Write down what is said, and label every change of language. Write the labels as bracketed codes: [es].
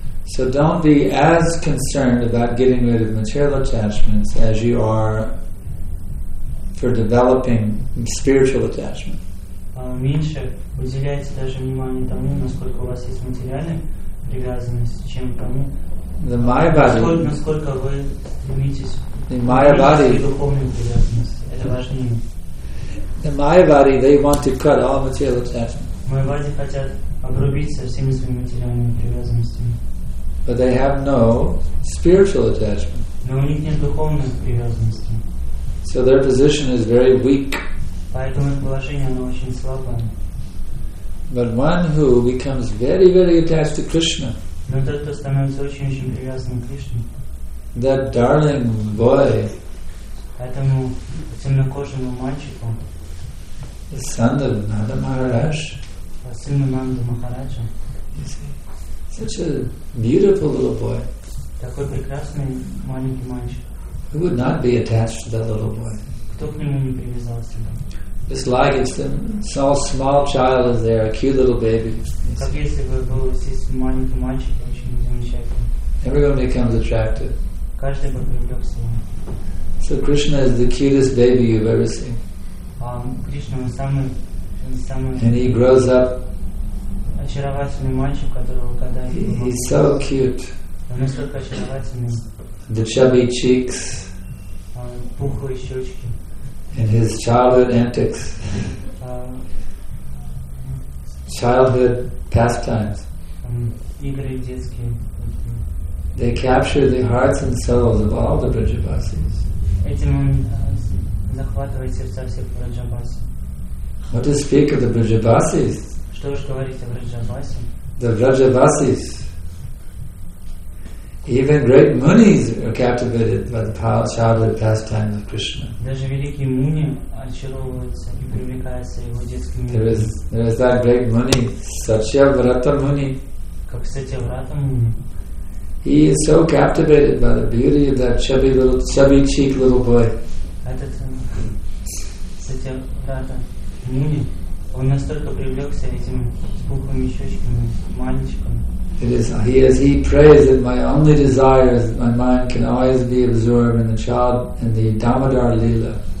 [en] So don't be as concerned about getting rid of material attachments as you are for developing spiritual attachment. [ru] Меньше уделяйте даже внимание тому, насколько у вас есть материальная привязанность, чем тому, насколько вы стремитесь к духовной привязанности. Это важнее. [en] The Mayavadi, they want to cut all material attachments. [ru] Майявади хотят обрубить со всеми своими материальными привязанностями. [en] But they have no spiritual attachment. [ru] Но у них нет духовной привязанности. [en] So their position is very weak. [ru] Поэтому их положение оно очень слабое. [en] But one who becomes very, very attached to Krishna. [ru] Но тот, кто становится очень, очень привязанным к Кришне. [en] That darling boy. [ru] Этому темнокожему мальчику. [en] The son of Nanda Maharaj. [ru] Сын Нанда Махараджа. [en] Such a beautiful little boy. [ru] Такой прекрасный маленький мальчик. [en] Who would not be attached to that little boy? [ru] Кто к нему не привязался бы? [en] It's like if some so small child is there, a cute little baby. [ru] Как если бы был здесь маленький мальчик, очень замечательный. [en] Everyone becomes attracted. [ru] Каждый бы привлекся ему. [en] So Krishna is the cutest baby you've ever seen. [ru] Кришна самый. [en] And he grows up. [ru] Очаровательный мальчик, которого когда. [en] He's so cute. [ru] Он настолько очаровательный. [en] The chubby cheeks. [ru] Пухлые щечки. [en] And his childhood antics. Childhood pastimes. [ru] Игры детские. [en] They capture the hearts and souls of all the Vrajavasis. [ru] Этим он захватывает сердца всех Vrajavasis. [en] What to speak of the Vrajavasis? [ru] Что уж говорить о Vrajavasis? [en] The Vrajavasis. Even great munis are captivated by the childhood pastime of Krishna. [ru] Даже великие муни очаровываются и привлекаются его детскими. [en] There is that great muni, Satyavrata Muni. [ru] Как Сатьяврата Муни. [en] He is so captivated by the beauty of that chubby-cheeked little boy. [ru] Этот Сатьяврата Муни, он настолько привлекся этим пухлыми щечками мальчиком. [en] He prays that my only desire is that my mind can always be absorbed in the child in the Damodar Lila.